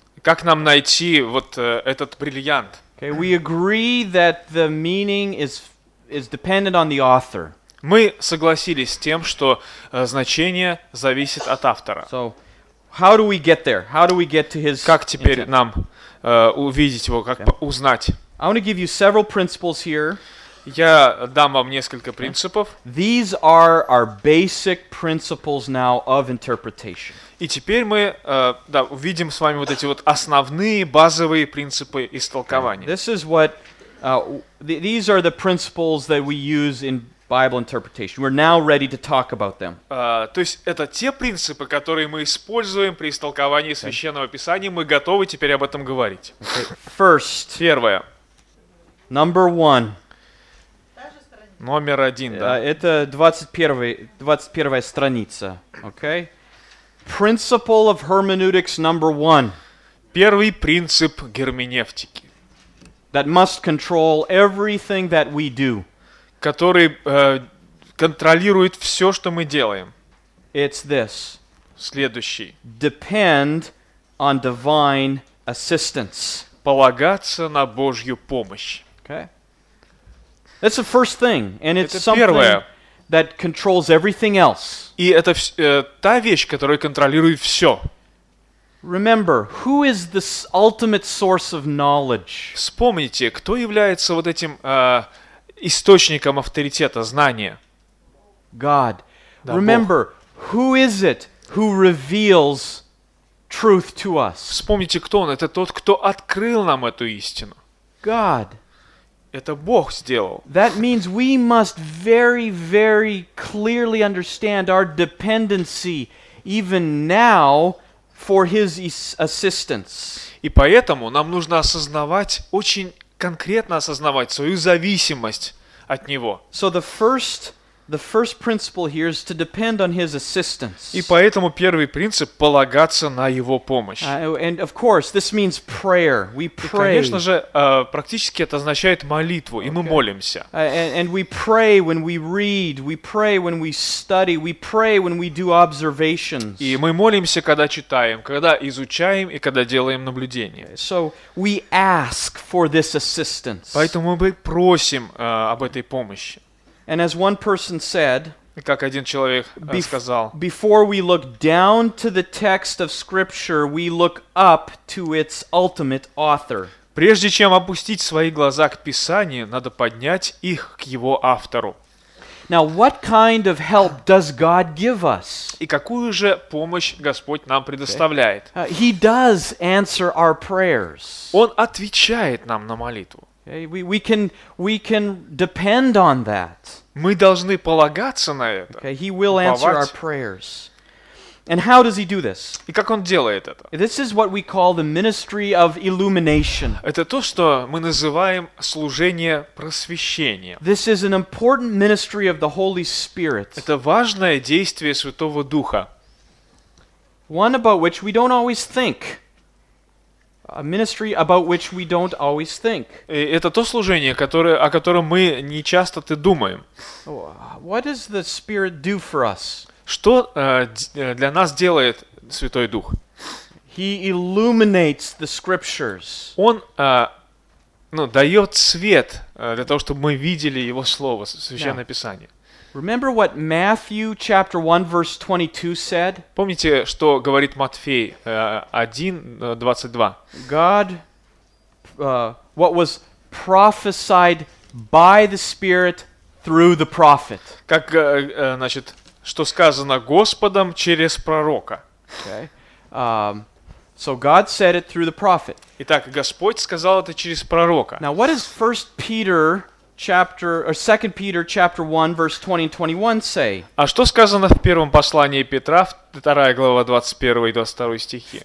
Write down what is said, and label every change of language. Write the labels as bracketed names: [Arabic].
[Russian] Как нам найти вот этот бриллиант? [English] Okay, we agree that the meaning is dependent on the author. [Russian] Мы согласились с тем, что значение зависит от автора. [English] So, how do we get there? How do we get to his? [Russian] Как теперь нам увидеть его, как узнать? [English] I want to give you several principles here. [Russian] Я дам вам несколько принципов. [English] These are our basic principles now of interpretation. [Russian] И теперь мы увидим с вами вот эти вот основные базовые принципы истолкования. [English] This is what these are the principles that we use in Bible interpretation. We're now ready to talk about them. [Russian] То есть это те принципы, которые мы используем при истолковании Священного Писания. Мы готовы теперь об этом говорить. [English] Okay. First. [Russian] Первое. [English] Number one. [Russian] Номер один, да. Это 21-я страница, okay? [English] Principle of hermeneutics number one. [Russian] Первый принцип герменевтики. [English] That must control everything that we do. [Russian] Который контролирует все, что мы делаем. [English] It's this. [Russian] Следующий. [English] Depend on divine assistance. [Russian] Полагаться на Божью помощь. [English] Okay? That's the first thing, and it's [Russian] это [English] something [Russian] первое. [English] That controls everything else. [Russian] И это та вещь, которая контролирует все. [English] Remember, who is the ultimate source of knowledge? [Russian] Вспомните, кто является вот этим источником авторитета, знания? [English] God. [Russian] Да, [English] Remember, [Russian] Бог. [English] Who is it who reveals truth to us? [Russian] Вспомните, кто он? Это тот, кто открыл нам эту истину. [English] God. [Russian] Это Бог сделал. [English] That means we must very, very clearly understand our dependency even now for His assistance. [Russian] И поэтому нам нужно осознавать, очень конкретно осознавать свою зависимость от Него. [English] So the first The first principle here is to depend on his assistance. [Russian] И поэтому первый принцип – полагаться на его помощь. [English] And of course, this means prayer. We pray. [Russian] И, конечно же, практически это означает молитву, и мы молимся. [English] And we pray when we read, we pray when we study, we pray when we do observations. [Russian] И мы молимся, когда читаем, когда изучаем и когда делаем наблюдения. [English] So we ask for this assistance. [Russian] Поэтому мы просим об этой помощи. [English] And as one person said, [Russian] как один человек сказал, [English] before we look down to the text of Scripture, we look up to its ultimate author. [Russian] Прежде чем опустить свои глаза к Писанию, надо поднять их к его автору. [English] Now, what kind of help does God give us? [Russian] И какую же помощь Господь нам предоставляет? [English] Okay. He does answer our prayers. [Russian] Он отвечает нам на молитву. [English] We can depend on that. [Russian] Мы должны полагаться на это. [English] Okay, he will answer our prayers. And how does he do this? [Russian] И как он делает это? [English] This is what we call the ministry of illumination. [Russian] Это то, что мы называем служение просвещения. [English] This is an important ministry of the Holy Spirit. [Russian] Это важное действие Святого Духа. [English] One about which we don't always think. A ministry about which we don't always think. [Russian] Это то служение, которое, о котором мы не часто-то думаем. [English] What does the Spirit do for us? [Russian] Что для нас делает Святой Дух? [English] He illuminates the Scriptures. [Russian] Он дает свет для того, чтобы мы видели Его Слово, Священное Писание. [English] Remember what Matthew chapter 1 verse 22 said? [Russian] Помните, что говорит Матфей 1:22? [English] God what was prophesied by the Spirit through the prophet. [Russian] Как значит, что сказано Господом через пророка. [English] Okay. So God said it through the prophet. [Russian] Итак, Господь сказал это через пророка. [English] Now what is 1 Peter chapter or 2 Peter chapter 1 verse 20 and 21 say. [Russian] А что сказано в первом послании Петра, вторая глава, 21 и 22 стихи?